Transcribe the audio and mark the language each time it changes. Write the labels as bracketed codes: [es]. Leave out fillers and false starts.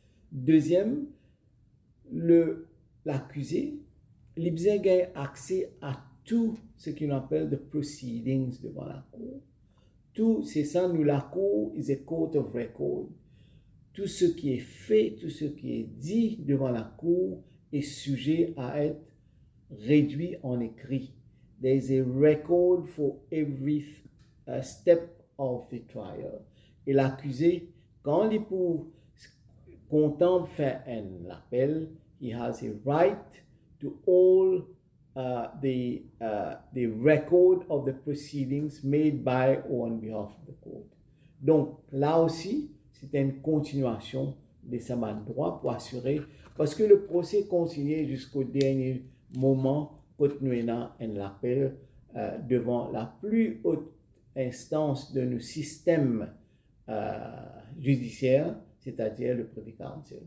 [fr] Deuxième, l'accusé, il faut avoir accès à tout ce qu'il appelle [en] the proceedings [fr] devant la cour. Tout, c'est ça, nous, la cour [en] is a court of record. [fr] Tout ce qui est fait, tout ce qui est dit devant la cour est sujet à être réduit en écrit. [en] There is a record for every step of the trial. [fr] Et l'accusé, quand il peut contempler un appel, [en] he has a right to all the record of the proceedings made by or on behalf of the court. [fr] Donc là aussi, c'est une continuation de sa main droite pour assurer, parce que le procès continuait jusqu'au dernier moment, quand nous avons un appel devant la plus haute instance de nos systèmes judiciaires, c'est-à-dire le préfectoral.